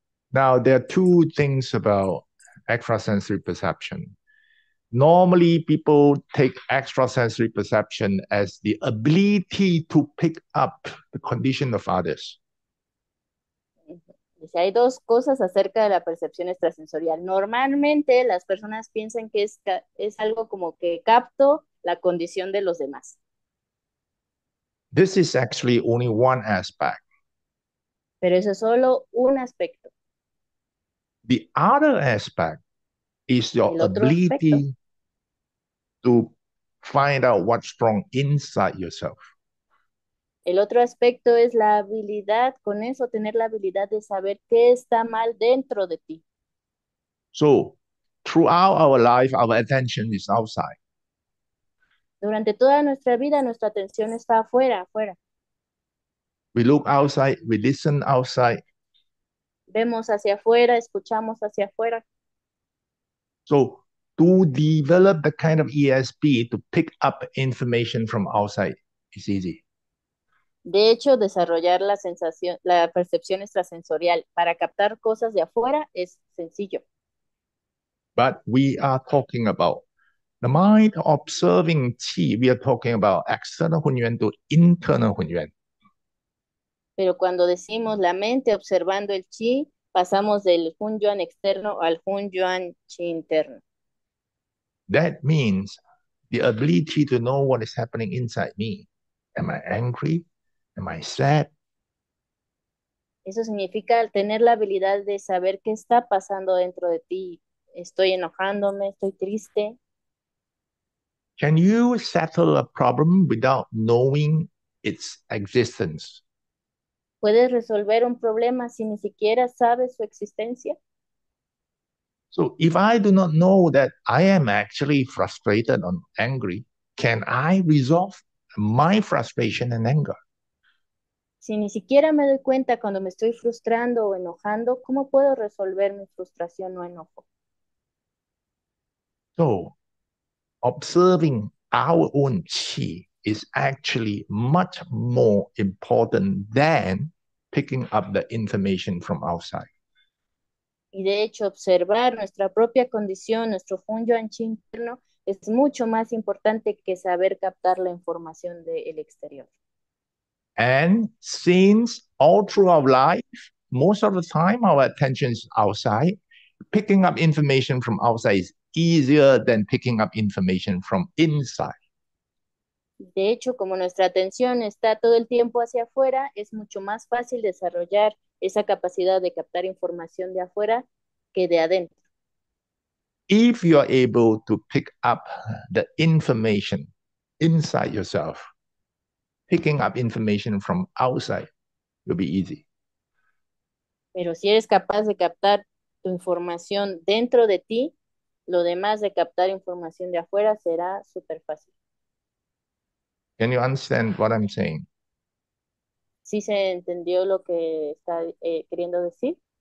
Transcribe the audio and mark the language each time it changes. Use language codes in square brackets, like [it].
[en] Now, there are two things about extrasensory perception. Normally, people take extrasensory perception as the ability to pick up the condition of others. [es] Si hay dos cosas acerca de la percepción extrasensorial. Normalmente las personas piensan que es algo como que capto la condición de los demás. [en] This is actually only one aspect. [es] Pero eso es solo un aspecto. [en] The other aspect is [es] El [en] your [es] otro aspecto. [en] ability to find out what's wrong inside yourself. [es] El otro aspecto es la habilidad, con eso tener la habilidad de saber qué está mal dentro de ti. [en] So, throughout our life, our attention is outside. [es] Durante toda nuestra vida, nuestra atención está afuera, afuera. [en] We look outside, we listen outside. [es] Vemos hacia afuera, escuchamos hacia afuera. [en] So, to develop the kind of ESP to pick up information from outside is easy. [es] De hecho, desarrollar la sensación, la percepción extrasensorial para captar cosas de afuera es sencillo. [en] But we are talking about the mind observing qi, we are talking about external hunyuan to internal hunyuan. [es] Pero cuando decimos la mente observando el chi, pasamos del hunyuan externo al hunyuan chi interno. [en] That means the ability to know what is happening inside me. Am I angry? Am I sad? [es] Eso significa tener la habilidad de saber qué está pasando dentro de ti. Estoy enojándome, estoy triste. [en] Can you settle a problem without knowing its existence? [es] ¿Puedes resolver un problema si ni siquiera sabes su existencia? [en] So, if I do not know that I am actually frustrated or angry, can I resolve my frustration and anger? [es] Si ni siquiera me doy cuenta cuando me estoy frustrando o enojando, ¿cómo puedo resolver mi frustración o enojo? [en] So, observing our own qi is actually much more important than picking up the information from outside. [es] Y de hecho, observar nuestra propia condición, nuestro hunyuan chi interno, es mucho más importante que saber captar la información del exterior. [en] And since all through our life, most of the time our attention is outside, picking up information from outside is easier than picking up information from inside. [es] De hecho, como nuestra atención está todo el tiempo hacia afuera, es mucho más fácil desarrollar esa capacidad de captar información de afuera que de adentro. [en] If you are able to pick up the information inside yourself, picking up information from outside will be easy. [es] Pero si eres capaz de captar tu información dentro de ti, lo demás de captar información de afuera será súper fácil. [en] Can you understand what I'm saying? [es] ¿Sí se entendió lo que está queriendo decir?